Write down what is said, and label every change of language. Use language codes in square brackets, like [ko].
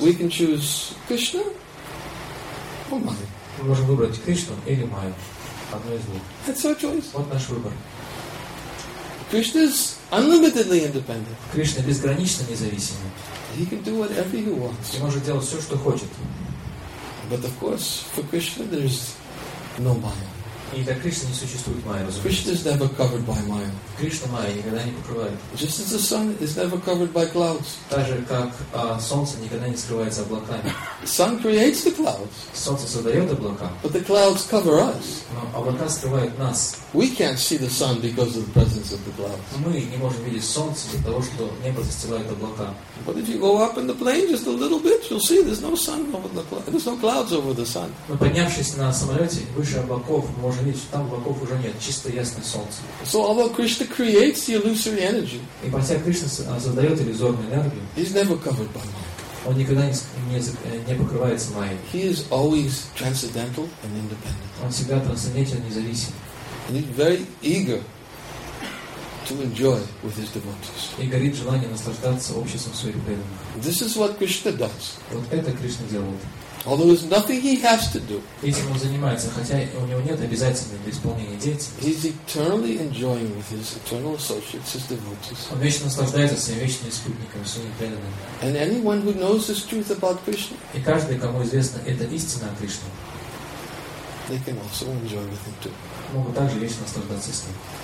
[en] We can choose Krishna or Maya. [ru] Мы можем выбрать Кришну или Майю, одно из двух. [en] That's our choice. [ru] Вот наш выбор. [en] Krishna is unlimitedly independent. [ru] Кришна безгранично независимый. [en] He can do whatever he wants. [ru] Он может делать все, что хочет. [en] But of course, for Krishna there is no Maya. [ru] И для Кришны не существует Майя. [en] Krishna is never covered by Maya. [ru] Кришна Майя никогда не покрывает. [en] Just as the sun is never covered by clouds. [ru] Так же как солнце никогда не скрывается облаками. [en] Sun creates the clouds. [ru] Солнце создает облака. [en] But the clouds cover us. [ru] Но облака скрывают нас. [en] We can't see the sun because of the presence of the clouds. [ru] Мы не можем видеть солнце из-за того, что небо застилает облака. [en] But if you go up in the plane just a little bit, you'll see there's no sun over the clouds. There's no clouds over the sun. [ru] Но поднявшись на самолете выше облаков, можно видеть, что там облаков уже нет, чисто ясное солнце. [en] So although Krishna creates the illusory energy, [ru] и хотя Кришна создает иллюзорную энергию, [en] he's never covered by Maya. [ru] Он никогда не покрывается Майей. [en] He is always transcendental and independent. [ru] Он всегда трансцендентен и независим. [en] And he's very eager to enjoy with his devotees. [ru] И горит желанием наслаждаться обществом своих преданных. [en] This is what Krishna does. [ru] Вот это Кришна делает. [en] Although there's nothing he has to do. [ru] Этим он занимается, хотя у него нет обязательного для исполнения деятельности. [en] He's eternally enjoying with his eternal associates, his devotees. [ru] Он вечно наслаждается своими вечными спутниками, своими преданными. [en] And anyone who knows this truth about Krishna. [ru] И каждый, кому известна эта истина о Кришне. [en] They can also enjoy with him too. [ru] Могут также вечно наслаждаться с ним.